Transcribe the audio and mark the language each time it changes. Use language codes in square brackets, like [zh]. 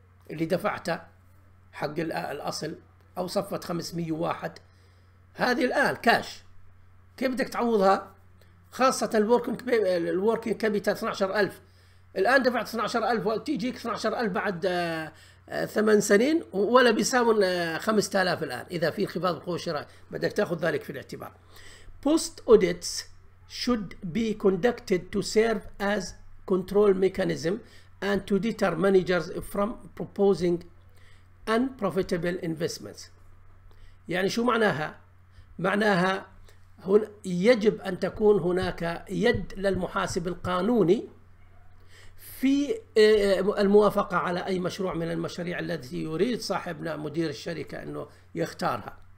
[ar] اللي دفعتها حق الاصل او صفت 501 هذه الان كاش، كيف بدك تعوضها؟ خاصه الوركينج كابيتال 12000، الان دفعت 12000 وتجيك 12000 بعد 8 سنين ولا بيساوي 5000 الان اذا في انخفاض بقوه الشراء، بدك تاخذ ذلك في الاعتبار. [en] Post audits should be conducted to serve as control mechanism and to deter managers from proposing unprofitable investments. [ar] يعني شو معناها؟ معناها هنا يجب ان تكون هناك يد للمحاسب القانوني في الموافقة على أي مشروع من المشاريع التي يريد صاحبنا مدير الشركة أنه يختارها.